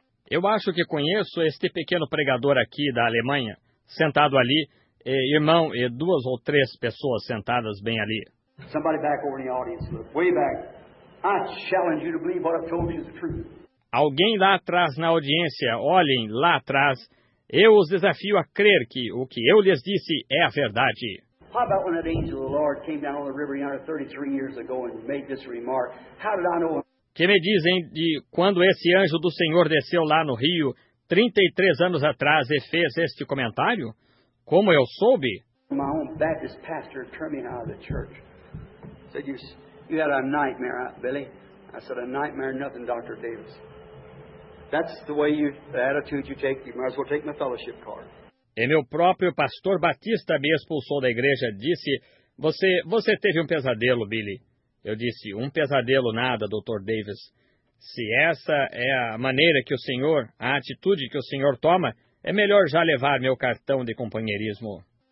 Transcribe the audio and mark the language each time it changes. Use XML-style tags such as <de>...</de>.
<pt>Eu acho que conheço este pequeno pregador aqui da Alemanha, sentado ali, e irmão e duas ou três pessoas sentadas bem ali.</pt> <en>Somebody back over in the audience, look, way back. I challenge you to believe what I've told you is the truth.</en> <pt>Alguém lá atrás na audiência, olhem lá atrás. Eu os desafio a crer que o que eu lhes disse é a verdade.</pt> <en>How about when that angel of the Lord came down on the river yonder 33 years ago and made this remark? How did I know?</en> <pt>Que me dizem de quando esse anjo do Senhor desceu lá no rio 33 anos atrás e fez este comentário? Como eu soube?</pt> <en>My own Baptist pastor turned me out of the church. Said you had a nightmare, Billy. I said a nightmare, nothing, Dr. Davis. That's the way you, the attitude you take. You might as well take my fellowship card.</en> <pt>E meu próprio pastor Batista me expulsou da igreja. Disse, você teve um pesadelo, Billy. Eu disse, um pesadelo nada, Dr. Davis. Se essa é a maneira que o senhor, a atitude que o senhor toma, é melhor já levar meu cartão de companheirismo.</pt>